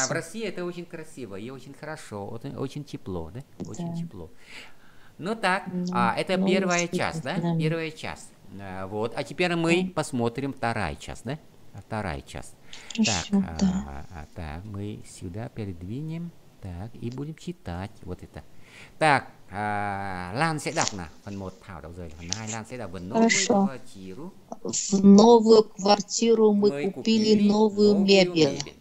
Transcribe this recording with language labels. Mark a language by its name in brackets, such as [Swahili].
[Russian] В России это очень красиво и очень хорошо, очень тепло, да? Очень тепло. Ну так, это первая часть, да? Первая часть. Вот. А теперь мы посмотрим вторая часть, да? Вторая часть. Так, Хорошо, да. так, мы сюда передвинем. Так, и будем читать вот это. [Vietnamese] Так, Лан sẽ đọc nào. Phần 1 Thảo đọc rồi. Phần 2 Лан sẽ đọc. [Russian] Хорошо. В новую квартиру мы купили новую мебель.